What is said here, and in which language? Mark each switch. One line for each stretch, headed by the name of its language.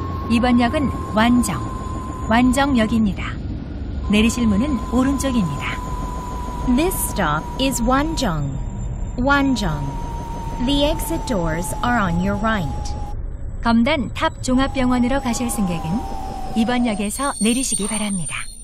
Korean: 이번 역은 완정, 완정역입니다. 내리실 문은 오른쪽입니다.
English: This stop is Wanjeong. Wanjeong. The exit doors are on your right.
Korean: 검단 탑 종합병원으로 가실 승객은 이번 역에서 내리시기 바랍니다.